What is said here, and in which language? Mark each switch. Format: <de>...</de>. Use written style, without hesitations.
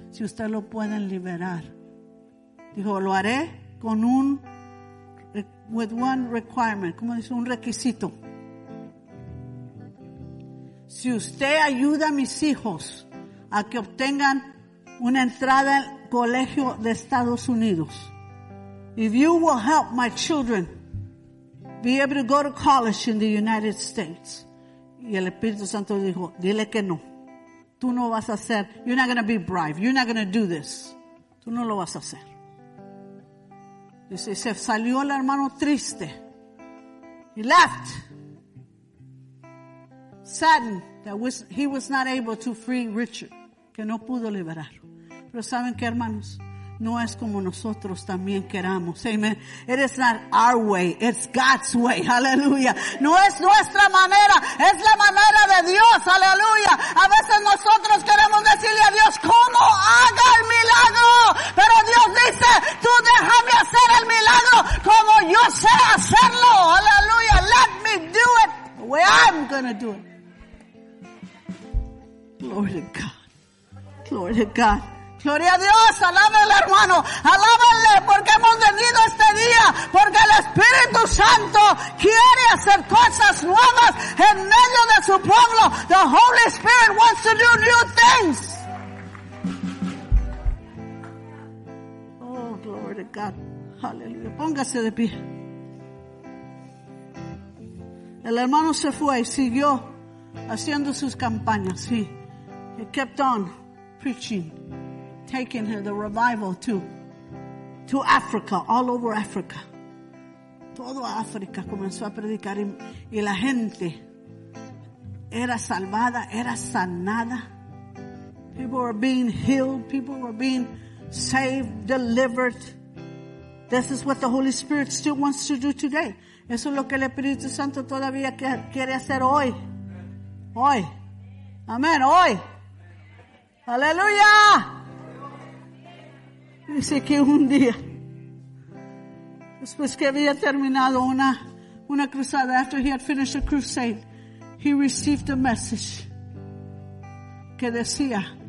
<es>Si usted lo puede liberar. Dijo, lo haré con un,</es> <en>with one requirement.</en> <es>¿Cómo dice? Un requisito. Si usted ayuda a mis hijos a que obtengan una entrada al colegio de Estados Unidos.</es> <en>If you will help my children be able to go to college in the United States.</en> <es>Y el Espíritu Santo dijo, dile que no. Tú no vas a hacer,</es> <en>you're not going to be bribed.</en> <es>You're not going to do this. Tú no lo vas a hacer. Dice, se salió el hermano triste. He left.</es> <en>Saddened that he was not able to free Richard.</en> <es>Que no pudo liberarlo. Pero saben qué, hermanos? No es como nosotros también queramos. Amen.</es> <en>It is not our way. It's God's way. Hallelujah.</en> <es>No es nuestra manera. Es la manera de Dios.</es> <en>Hallelujah.</en> <es>A veces nosotros queremos decirle a Dios, ¿cómo haga el milagro? Pero Dios dice, tú déjame hacer el milagro como yo sé hacerlo. Hallelujah.</es> <en>Let me do it the way I'm going to do it. Glory to God. Glory to God.</en> <es>Gloria a Dios, alábenle hermano, alábenle porque hemos venido este día, porque el Espíritu Santo quiere hacer cosas nuevas en medio de su pueblo.</es> <en>The Holy Spirit wants to do new things. Oh, glory to God.</en> <es>Aleluya. Póngase de pie. El hermano se fue y siguió haciendo sus campañas, sí.</es> <en>He kept on preaching. Taking her the revival to Africa, all over Africa.</en> <es>Todo África comenzó a predicar y la gente era salvada, era sanada.</es> <en>People were being healed, people were being saved, delivered. This is what the Holy Spirit still wants to do today.</en> <es>Eso es lo que el Espíritu Santo todavía quiere hacer hoy. Hoy. Amén, hoy. Aleluya. Dice que un día, después que había terminado una cruzada,</es> <en>after he had finished a crusade, he received a message</en> <es>que decía,</es>